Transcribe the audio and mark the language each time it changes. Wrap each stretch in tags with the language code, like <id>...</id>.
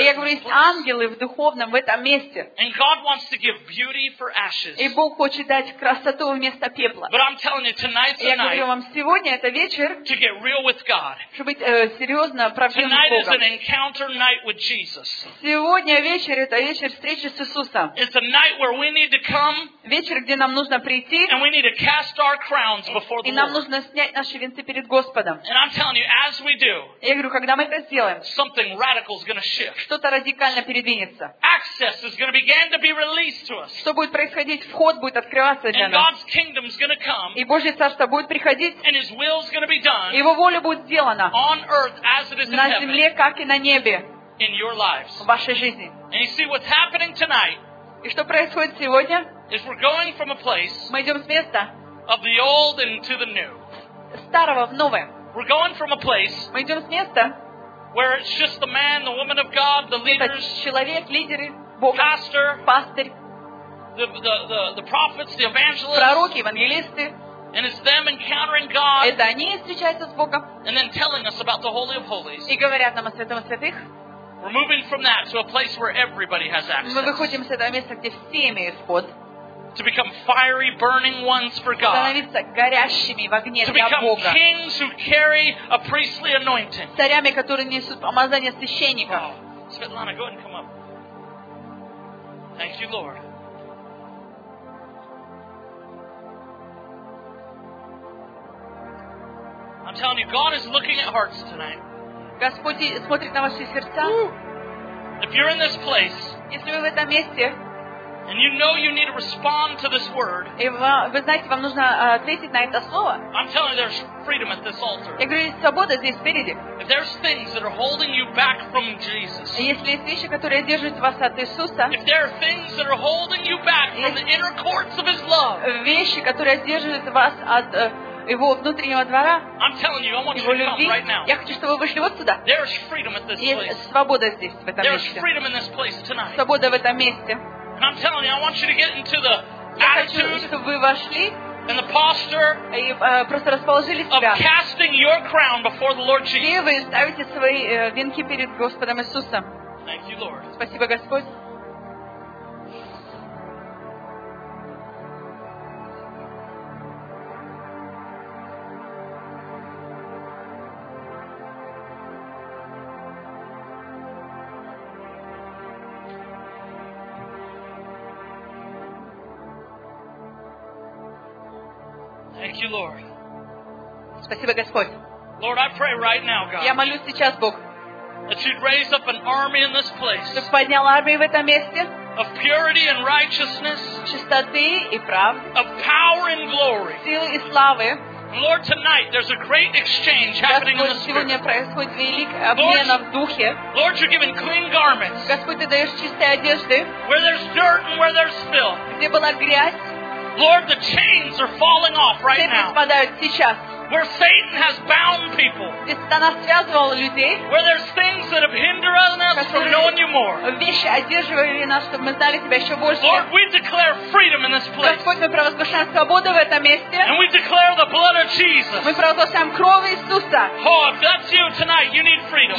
<ru>И я говорю, есть ангелы в духовном в этом месте.</ru> <en>And God wants to give beauty for ashes.</en> <ru>И Бог хочет дать красоту вместо пепла.</ru> <en>But I'm telling you, tonight's the night.</en> <ru>Я говорю вам, сегодня это вечер.</ru> <en>To get real with God.</en> <ru>Чтобы быть серьезно, правдивым с Богом.</ru> <en>Tonight is an encounter night with Jesus.</en> <ru>Сегодня вечер это вечер встречи с Иисусом.</ru> <en>It's a night where we need to come.</en> <ru>Вечер, где нам нужно прийти.</ru> <en>And we need to cast our crowns before the Lord.</en> <ru>И нам нужно снять наши венцы перед Господом.</ru> <en>And I'm telling you, as we do.</en> <ru>Я говорю, когда мы это сделаем.</ru> <en>Something radical is going to shift.</en> <ru>Что-то радикально передвинется.</ru> <en>Access is going to begin to be released to us.</en> <ru>Что будет происходить? Вход будет открываться для нас.</ru> <en>And God's kingdom is going to come.</en> <ru>И Божье царство будет приходить.</ru> <en>And His will is going to be done.</en> <ru>Его воля будет сделана.</ru> <en>On earth as it is in heaven.</en> <ru>На земле как и на небе.</ru> <en>In your lives.</en> <ru>В вашей жизни.</ru> <en>And you see what's happening tonight.</en> <ru>И что происходит сегодня?</ru> <en>Is we're going from a place</en> <ru>мы идем с места</ru> <en>of the old into the new.</en> <ru>Старого в новое.</ru> <en>We're going from a place</en> <ru>мы идем с места</ru> <en>where it's just the man, the woman of God, the leaders,</en> <ru>человек, лидеры, Бог,</ru> <en>pastor,</en> <ru>пастырь,</ru> <en>the prophets, the evangelists,</en> <ru>пророки, евангелисты.</ru> <en>And it's them encountering God.</en> <ru>Это они встречаются с Богом.</ru> <en>And then telling us about the Holy of Holies.</en> <ru>И говорят нам о святом святых.</ru> <en>We're moving from that to a place where everybody has access.</en> <ru>Мы выходим с этого места, где все имеют вход.</ru> <en>To become fiery, burning ones for God.</en> <ru>Становиться горящими в огне для Бога.</ru> <en>To become kings who carry a priestly anointing.</en> <ru>Царями, которые несут помазание священников.</ru> <en>Светлана, go ahead and come up. Thank you, Lord. I'm telling you, God is looking at hearts tonight.</en> <ru>Господь смотрит на ваши сердца.</ru> <en>If you're in this place,</en> <ru>если вы в этом месте,</ru> <en>and you know you need to respond to this word,</en> <ru>и вы знаете, вам нужно ответить на это слово.</ru> <en>I'm telling you, there's freedom at this altar.</en> <ru>Я говорю, есть свобода здесь впереди.</ru> <en>If there's things that are holding you back from Jesus,</en> <ru>если есть вещи, которые держат вас от Иисуса,</ru> <en>if there are things that are holding you back from the inner courts of His love,</en> <ru>вещи, которые держат вас от Его внутреннего двора,</ru> <en>I'm telling you, I want</en> <ru>Его любви,</ru> <en>you to come right now.</en> <ru>Я хочу, чтобы вы вышли вот сюда. Есть свобода здесь, в этом месте. Свобода в этом месте. Я хочу, чтобы вы вошли</ru> <en>and the posture</en> <ru>и просто расположили себя</ru> <en>of casting your crown before the Lord Jesus.</en> <ru>Где вы ставите свои венки перед Господом Иисусом.</ru> <en>Thank you, Lord.</en> <ru>Спасибо, Господь. Спасибо, Господь.</ru> <en>Lord, I pray right now, God.</en> <ru>Я молюсь сейчас, Бог.</ru> <en>That you'd raise up an army in this place.</en> <ru>Чтобы поднял армию в этом месте.</ru> <en>Of purity and righteousness.</en> <ru>Чистоты и правды.</ru> <en>Of power and glory.</en> <ru>Силы и славы.</ru> <en>Lord, tonight there's a great exchange happening in the spirit.</en> <ru>Сегодня происходит великий обмен в духе.</ru> <en>Lord, you're giving clean garments.</en> <ru>Господь, ты даешь чистые одежды.</ru> <en>Where there's dirt and where there's spill.</en> <ru>Где была грязь.</ru> <en>Lord, the chains are falling off right now.</en> <ru>Цепи спадают сейчас.</ru> <en>Where Satan has bound people.</en> <ru>Где сатана связывал людей.</ru> <en>Where there's things that have hindered us from knowing you more.</en> <ru>Вещи, одерживающие нас, чтобы мы знали тебя еще больше.</ru> <en>Lord, we declare freedom in this place.</en> <ru>Господь, мы провозглашаем свободу в этом месте.</ru> <en>And we declare the blood of Jesus.</en> <ru>Мы провозглашаем кровь Иисуса.</ru> <en>Oh, if that's you tonight, you need freedom.</en>